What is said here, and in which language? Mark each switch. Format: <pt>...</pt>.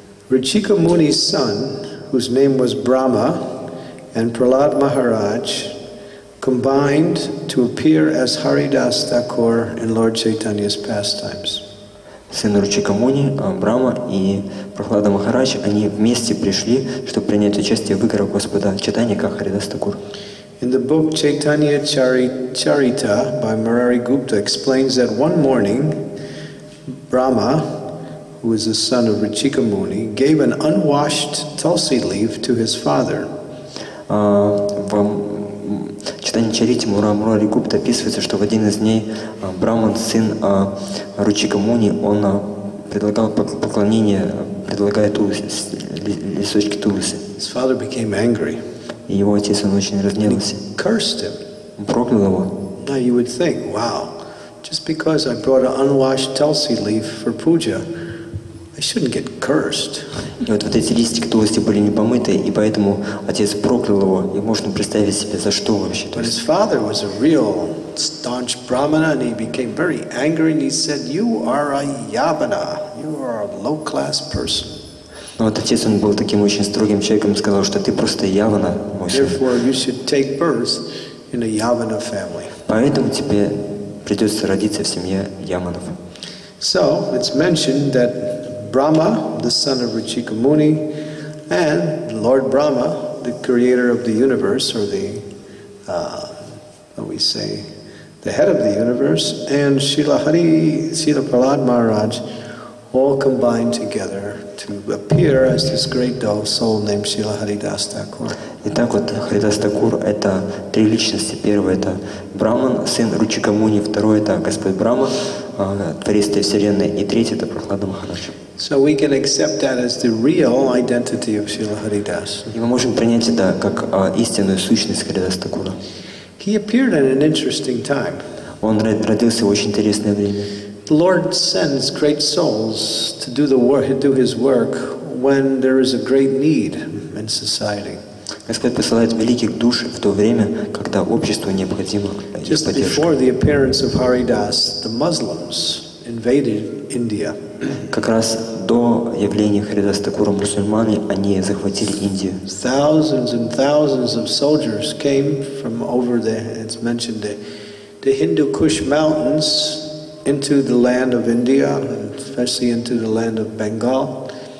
<en>Ричика Муни's son, whose name was Brahma, and Prahlad Maharaj combined to appear as Haridas Thakur in Lord Chaitanya's pastimes.</en> <ru>Сын Ручика Муни, Брама и Прохлада Махарадж, они вместе пришли, чтобы принять участие в играх Господа Чайтаньи как Харидас Такур.</ru> <en>In the book Chaitanya Charita by Murari Gupta explains that one morning Brahma, who is the son of Ruchika Muni, gave an unwashed tulsi leaf to his father.</en> <ru>В Чайтанья Чарите Мурари Гупта описывается, что в один из дней Брахман, сын Ручика Муни, он предлагал поклонение, предлагает листочки тулуси.</ru> <en>His father became angry.</en> <ru>И его отец, он очень разгневался.</ru> <en>He cursed him.</en> <ru>Он проклял его.</ru> <en>Now you would think, wow, just because I brought an unwashed tulsi leaf for puja, I shouldn't get cursed.</en> <ru>И вот эти листики тулуси были непомытые, и поэтому отец проклял его. И можно представить себе, за что вообще.</ru> <en>But his father was a real staunch brahmana, and he became very angry, and he said, "You are a yavana. You are a low-class person."</en> <ru>Но вот отец, он был таким очень строгим человеком, сказал, что ты просто явана.</ru> <en>Therefore, you should take birth in a yavana family.</en> <ru>Поэтому тебе придется родиться в семье яванов.</ru> <en>So it's mentioned that Brahma, the son of Ruchika Muni, and Lord Brahma, the creator of the universe, or the, what we say, the head of the universe, and Srila Prahlad Maharaj all combined together to appear as this great dull soul named Srila Haridas Thakur.</en> <ru>Итак, вот Харидас Такур — это три личности. Первый — это Браман, сын Ручикамуни. Второй — это Господь Брама, Творец этой вселенной. И третий — это Прохлада Махарадж.</ru> <en>So we can accept that as the real identity of Srila Haridas.</en> <ru>И мы можем принять это как истинную сущность Харидас Такура.</ru> <en>He appeared in an interesting time.</en> <ru>Он родился в очень интересное время.</ru> <en>The Lord sends great souls to do the work, do His work, when there is a great need in society.</en> <ru>Господь посылает великих душ в то время, когда обществу необходимо</ru> <en>Just</en> <ru>поддержка.</ru> <en>Before the appearance of Haridas, the Muslims invaded India.</en> <ru>Как раз до явления Харидас Такура мусульмане, они захватили Индию.</ru> <en>Thousands and thousands of soldiers came from over the, it's mentioned, the Hindu Kush mountains into the land of India, especially into the land of Bengal.</en>